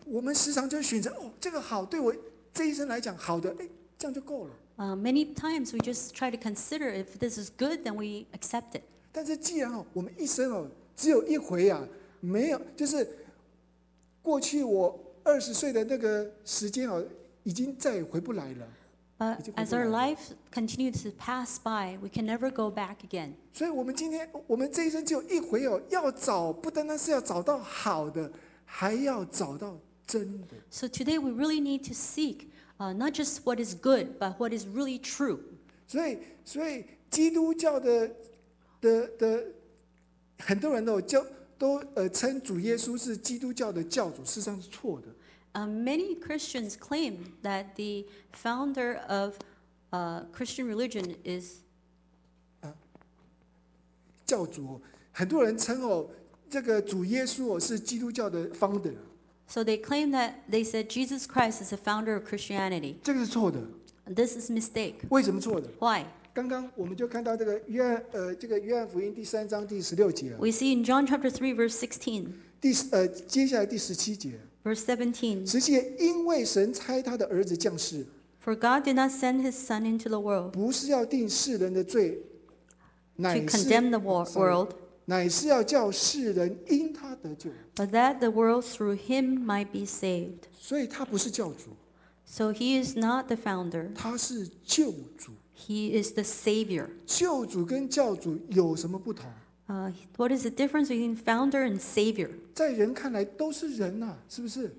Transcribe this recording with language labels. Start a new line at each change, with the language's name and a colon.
Chinese: 我们时常就选择这个好，对我这一生来讲好的，这样就够了。
English: Many times we just try to consider if this is good, then we accept it.
Chinese: 但是既然我们一生只有一回没有，就是过去我二十岁的那个时间已经再也回不来了。
English: But as our life continues to pass by, we can never go back again.
Chinese: 所以我们今天，我们这一生只有一回要找，不单单是要找到好的，还要找到真的。
English: So today we really need to seek, not just what is good, but what is really true.
Chinese: 所以基督教的很多人都称主耶稣是基督教的教主，事实上是错的。
English: Many Christians claim that the founder of Christian religion is
Chinese: 教主，很多人称这个主耶稣是基督教的 founder.
English: So they claim that they said Jesus Christ is the founder of Christianity.
Chinese: 这个是错的。
English: This is mistake.
Chinese: 为什么错的
English: ？Why?
Chinese: 刚刚我们就看到这个约翰福音第三章第十六节。
English: We see in John chapter 3 verse 16.
Chinese: 接下来第十七节。
English: Verse 17.
Chinese: 因为神差他的儿子降世。
English: For God did not send his son into the world.
Chinese: 不是要定世人的罪。
English: To condemn the world.
Chinese: 乃是要叫世人因他得救。
English: But that the world through him might be saved.
Chinese: 所以他不是教主。
English: So he is not the founder.
Chinese: 他是救主。
English: He is the savior.
Chinese: 救主跟教主有什么不同？
English: What is the difference between founder and savior?
Chinese: 在人看来都是人啊，是不是？